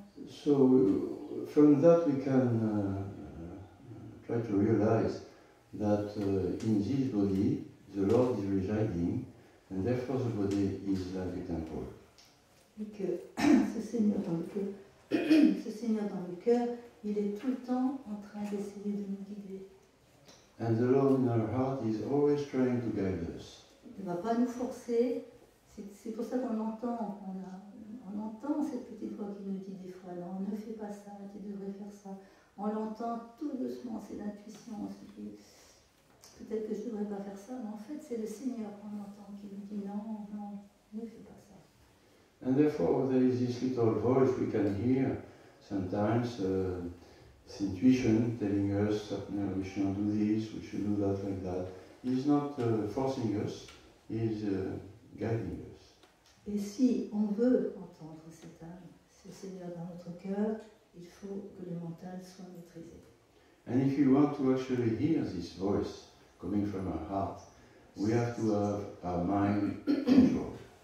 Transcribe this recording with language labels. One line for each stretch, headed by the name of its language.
English: So from that we can try to realize that in this body the Lord is residing, and therefore the body is like a temple.
French: Et que ce Seigneur dans le cœur, il est tout le temps en train d'essayer de nous guider.
English: And the Lord in our heart is always trying to guide us.
French: Il ne va pas nous forcer. C'est pour ça qu'on entend. On entend cette petite voix qui nous dit des fois, non, ne fais pas ça, tu devrais faire ça. On l'entend tout doucement, c'est l'intuition. On se dit, peut-être que je ne devrais pas faire ça, mais en fait, c'est le Seigneur qu'on entend qui nous dit, non, non, ne fais pas ça.
English: And therefore, there is this little voice we can hear sometimes, this intuition telling us that no, we should not do this, we should do that like that. It's not forcing us, it's guiding us.
French: Et si on veut entendre cette âme, ce Seigneur dans notre cœur, il faut que le mental soit maîtrisé.
English: And if you want to actually hear this voice coming from our heart, we have to have our mind controlled.